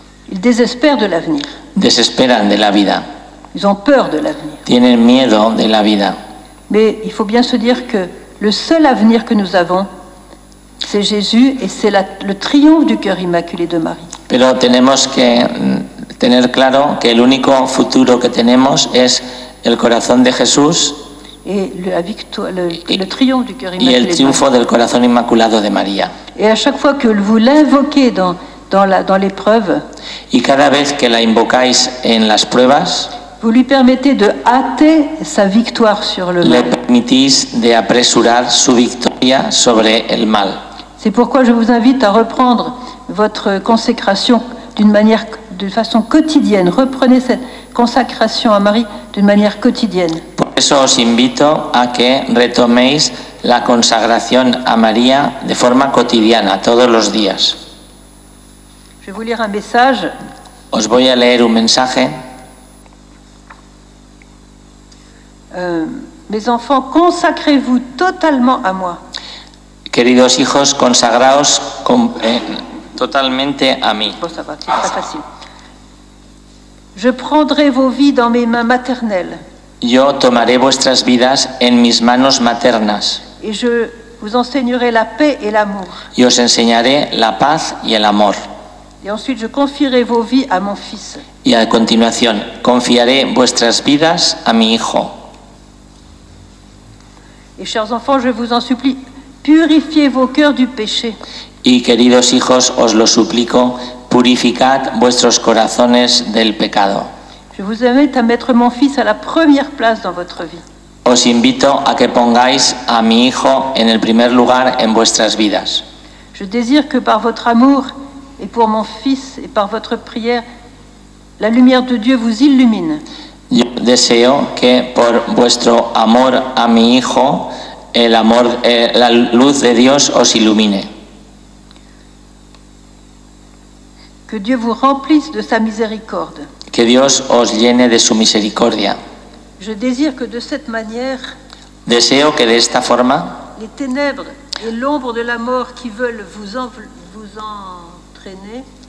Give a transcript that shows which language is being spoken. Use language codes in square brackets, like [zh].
[fr] Ils désespèrent de l'avenir. [es] Desesperan de la vida. [fr] Ils ont peur de l'avenir. [es] Tienen miedo de la vida. [fr] Mais il faut bien se dire que le seul avenir que nous avons, c'est Jésus et c'est le triomphe du cœur immaculé de Marie. [es] Pero tenemos que tener claro que el único futuro que tenemos es el corazón de Jesús [fr] et le triomphe du cœur immaculé. [es] Y el triunfo del corazón inmaculado de María. [fr] Et à chaque fois que vous l'invoquez dans l'épreuve, [es] y cada vez que la invocáis en las pruebas, [fr] vous lui permettez de hâter sa victoire sur le mal. [es] Le permitís de apresurar su victoria sobre el mal. [fr] C'est pourquoi je vous invite à reprendre votre consécration de façon quotidienne. Reprenez cette consécration à Marie d'une manière quotidienne. [es] Por eso os invito a que retoméis la consagración a María de forma cotidiana, todos los días. [fr] Je vais vous lire un message. [es] Os voy a leer un mensaje. [fr] Mes enfants, consacrez-vous totalement à moi. [es] Queridos hijos, consagraos totalmente a mí. [fr] Bon, ça va, c'est pas facile. Je prendrai vos vies dans mes mains maternelles. [es] Yo tomaré vuestras vidas en mis manos maternas. [fr] Et je vous enseignerai la paix et l'amour. [es] Y os enseñaré la paz y el amor. [fr] Et ensuite, je confierai vos vies à mon fils. [es] Y a continuación, confiaré vuestras vidas a mi hijo. [fr] Et chers enfants, je vous en supplie, purifiez vos cœurs du péché. [es] Y queridos hijos, os lo suplico, purificad vuestros corazones del pecado. [fr] Je vous invite à mettre mon fils à la première place dans votre vie. [es] Os invito a que pongáis a mi hijo en el primer lugar en vuestras vidas. [fr] Je désire que par votre amour et pour mon fils et par votre prière, la lumière de Dieu vous illumine. [es] Yo deseo que por vuestro amor a mi hijo, la luz de Dios os ilumine. [fr] Que Dieu vous remplisse de sa miséricorde. [es] Que Dios os llene de su misericordia. [fr] Je désire que de cette manière, [es] deseo que de esta forma, [fr] les ténèbres et l'ombre de la mort qui veulent vous entraîner,